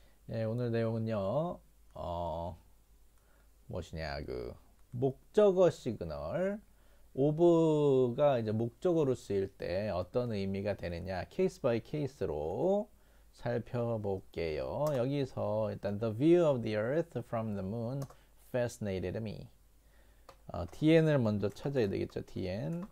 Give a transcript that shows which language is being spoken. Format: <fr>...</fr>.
<ko>예, 오늘 내용은요, 무엇이냐, 목적어 시그널. 오브가 이제 목적어로 쓰일 때 어떤 의미가 되느냐, 케이스 바이 케이스로 살펴볼게요. 여기서 일단</ko> <en>The view of the earth from the moon fascinated me.</en> <ko>DN을 먼저 찾아야 되겠죠, DN.</ko>